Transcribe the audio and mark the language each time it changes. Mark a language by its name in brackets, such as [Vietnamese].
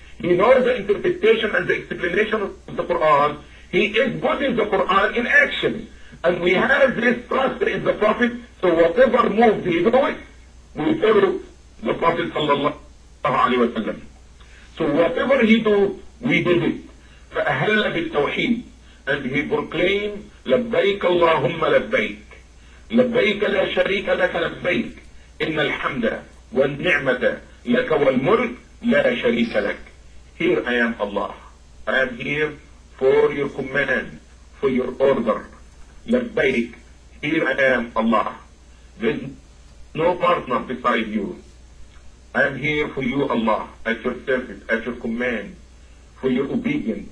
[English] He knows the interpretation and the explanation of the Quran. He is putting the Quran in action. And we have this trust in the Prophet. So whatever moves he does, we follow the Prophet sallallahu alayhi wa sallam. So whatever he do, we do it. [Arabic] فَأَهَلَّ بِالتَّوْحِيمِ. [English] And he proclaimed, [Arabic] لَبَّيْكَ اللَّهُمَّ لَبَّيْكَ لَبَّيْكَ لَا شَرِيكَ لَكَ لَبَّيْكَ إِنَّ الْحَمْدَ وَالنِّعْمَةَ لَكَ وَالْمُلْكَ لَا شَرِيكَ لَكَ. [English] Here I am, Allah. I am here for your command, for your order. لَبَّيْكَ. Here I am, Allah. There is no partner beside you. I am here for you, Allah, at your service, at your command, for your obedience.